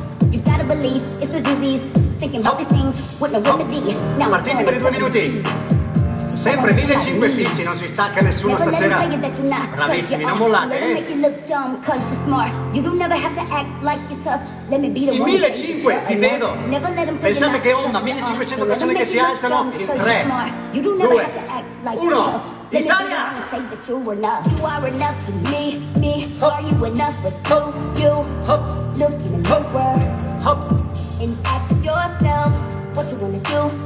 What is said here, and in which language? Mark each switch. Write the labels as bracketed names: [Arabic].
[English] You gotta believe it's a disease. Thinking about these things with no remedy. [Italian] Now partiti per i 2 minuti. Sempre 1500 fissi, non si stacca nessuno stasera. Bravissimi, non mollate. [English] Let me make you look dumb, cause you're smart. You don't never have to act like you're tough. Let me be the one. I 1500, [Italian] ti vedo. Pensate che onda, 1500 persone che si alzano in 3, 2, 1. [English] Italia! You are enough for me, me. Are you enough for two, you? Hop, look in the mirror. Hop, and ask yourself, what you wanna do?